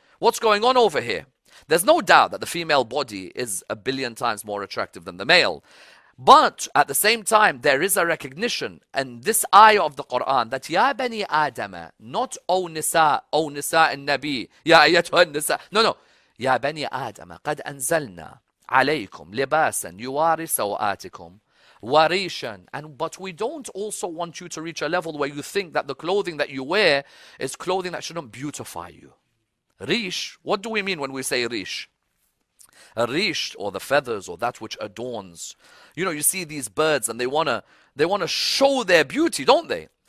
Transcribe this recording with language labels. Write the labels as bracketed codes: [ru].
[en] What's going on over here? There's no doubt that the female body is a billion times more attractive than the male. But at the same time, there is a recognition in this ayah of the Quran that [ar] Ya Bani Adama, [en] not O Nisa and Nabi, [ar] Ya Ayatul Nisa. [en] No. [ar] Ya Bani Adama, قَدْ أَنزَلْنَا عَلَيْكُمْ لِبَاسًا يُوَارِي سَوْآتِكُمْ وَرِيشًا. [en] But we don't also want you to reach a level where you think that the clothing that you wear is clothing that shouldn't beautify you. Rish, what do we mean when we say Rish? A rish, or the feathers, or that which adorns. You know, you see these birds and they wanna show their beauty, don't they?